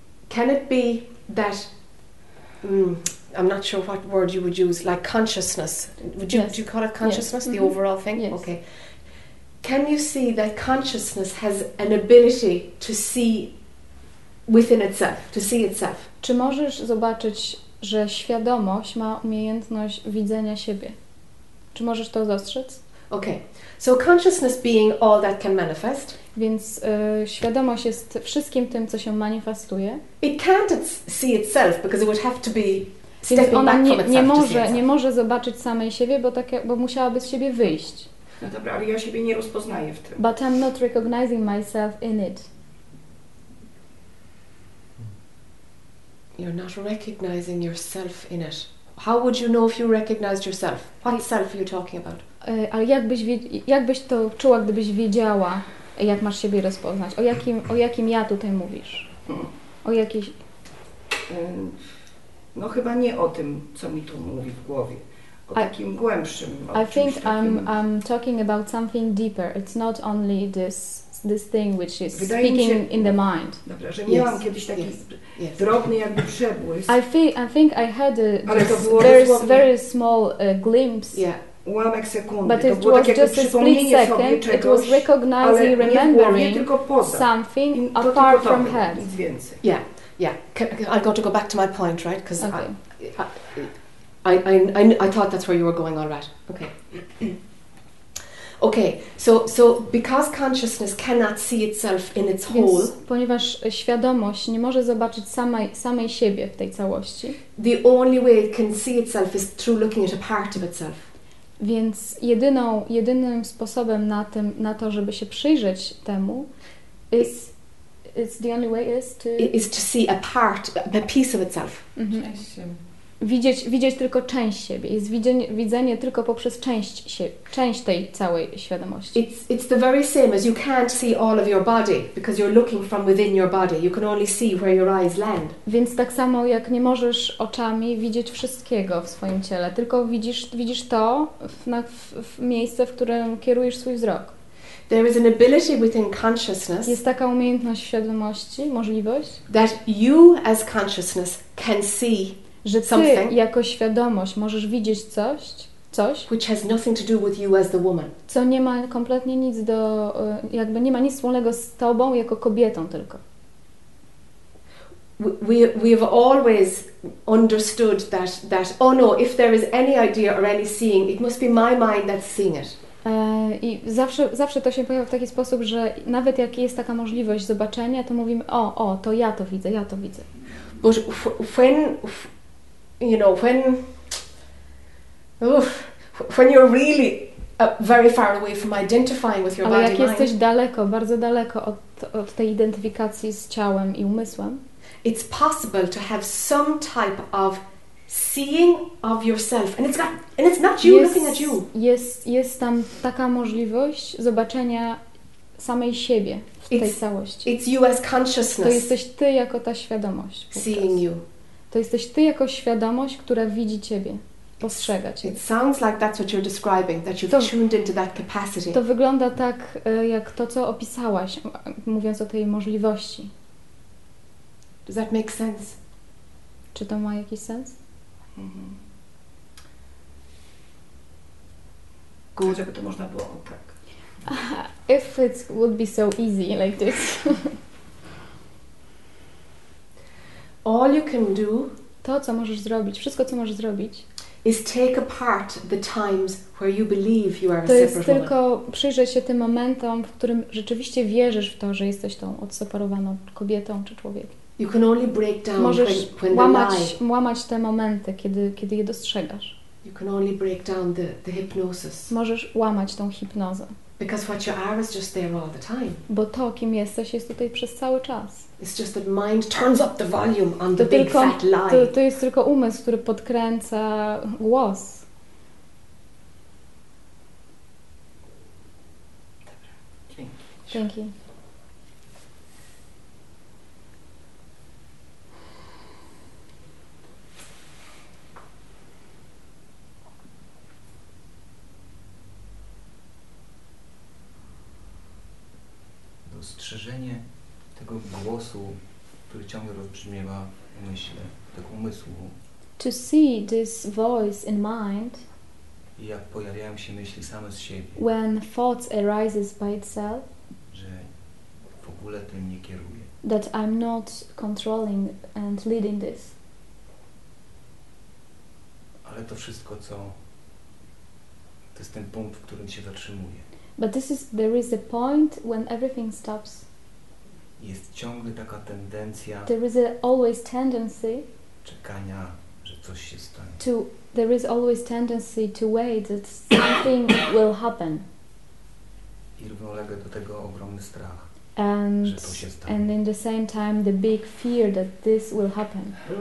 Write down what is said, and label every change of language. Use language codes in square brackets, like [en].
[en] Can it be that I'm not sure what word you would use, like consciousness. Do you call it consciousness, the mm-hmm. overall thing? Yes. Okay. Can you see that consciousness has an ability to see within itself, to see itself? [pl] Czy możesz zobaczyć, że świadomość ma umiejętność widzenia siebie? Czy możesz to dostrzec? [en] Okay. So consciousness being all that can manifest. [pl] Więc świadomość jest wszystkim tym, co się manifestuje. [en] It can't see itself because it would have to be stepping back from itself. [pl] Nie może zobaczyć samej siebie, bo musiałaby z siebie wyjść. No dobra, ale ja siebie nie rozpoznaję w tym. [en] But I'm not recognizing myself in it. You're not recognizing yourself in it. How would you know if you recognized yourself? What self are you talking about? [pl] Ale jakbyś to czuła, gdybyś wiedziała, jak masz siebie rozpoznać? O jakim ja tutaj mówisz? O jakiejś... No chyba nie o tym, co mi tu mówi w głowie. Takim głębszym. [en] I think [pl] takim... [en] I'm talking about something deeper. It's not only this thing which is speaking in the mind. [pl] Dobra, że miałam kiedyś taki drobny jakby przebłysk. [en] I think I had a very small glimpse. [pl] Yeah. Ułamek sekundy. [en] But it [pl] to było [en] was [pl] tak [en] just a split second. [pl] Czegoś, [en] it was recognizing, [pl] nie [en] remembering [pl] głowie, tylko poza. [en] Something [pl] to [en] apart [pl] tylko [en] from head. Yeah, yeah. I got to go back to my point, right? Because okay. I thought that's where you were going. All right. Okay. Okay. So because consciousness cannot see itself in its whole. [pl] Ponieważ świadomość nie może zobaczyć samej siebie w tej całości. [en] The only way it can see itself is through looking at a part of itself. [pl] Więc jedynym sposobem na to, żeby się przyjrzeć temu, [en] is to see a part, a piece of itself. Mm-hmm. [pl] Widzieć tylko część siebie. Jest widzenie tylko poprzez część tej całej świadomości. [en] It's the very same as you can't see all of your body because you're looking from within your body. You can only see where your eyes land. [pl] Więc tak samo jak nie możesz oczami widzieć wszystkiego w swoim ciele, tylko widzisz to w miejsce, w którym kierujesz swój wzrok. [en] There is an ability within consciousness. [pl] Jest taka umiejętność świadomości, możliwość, [en] that you as consciousness can see. [pl] Że ty [en] something, [pl] jako świadomość możesz widzieć coś, [en] which has nothing to do with you as the woman. [pl] Co nie ma kompletnie nic do, jakby nie ma nic wspólnego z tobą jako kobietą tylko. [en] We have always understood that oh no, if there is any idea or any seeing, it must be my mind that's seeing it. [pl] I zawsze to się pojawia w taki sposób, że nawet jak jest taka możliwość zobaczenia, to mówimy o, to ja to widzę. [en] But when you're really very far away from identifying with your body, [pl] ale jak jesteś daleko, bardzo daleko od tej identyfikacji z ciałem i umysłem, [en] it's possible to have some type of seeing of yourself, and it's not you looking at you. [pl] Jest tam taka możliwość zobaczenia samej siebie w tej całości. [en] It's you as consciousness. [pl] To jesteś ty jako ta świadomość. [en] Seeing you. [pl] To jesteś ty jako świadomość, która widzi ciebie, postrzega cię. [en] It sounds like that's what you're describing, that you've tuned into that capacity. [pl] To wygląda tak, jak to, co opisałaś, mówiąc o tej możliwości. [en] Does that make sense? [pl] Czy to ma jakiś sens? Mm-hmm. Żeby to można było tak. [en] If it would be so easy like this. All you can do. [pl] To, co możesz zrobić, wszystko, co możesz zrobić. [en] Is take apart the times where you believe you are a separate woman. [pl] To jest tylko przyjrzeć się tym momentom, w którym rzeczywiście wierzysz w to, że jesteś tą odseparowaną kobietą czy człowiekiem. [en] You can only break down [pl] możesz [en] when [pl] łamać te momenty, kiedy je dostrzegasz. [en] You can only break down the hypnosis. [pl] Możesz łamać tą hipnozę. [en] Because what you are is just there all the time. [pl] Bo to, kim jesteś, jest tutaj przez cały czas. [en] It's just that mind turns up the volume on the big fat lie. [pl] To jest tylko umysł, który podkręca głos. Dzięki. Dostrzeżenie tego głosu, który ciągle rozbrzmiewa w myśli, tego umysłu. [en] To see this voice in mind. [pl] I jak pojawiają się myśli same z siebie. [en] When thoughts arises by itself. [pl] Że w ogóle tym nie kieruję. [en] That I'm not controlling and leading this. [pl] Ale to wszystko, co to jest ten punkt, w którym się zatrzymuje. [en] But this is there is a point when everything stops. [pl] Jest ciągle taka tendencja. [en] There is always tendency. [pl] Czekania, że coś się stanie. [en] There is always tendency to wait that something will happen. [pl] I równolegle do tego ogromny strach. [en] And, [pl] że to się stanie. [en] And in the same time the big fear that this will happen.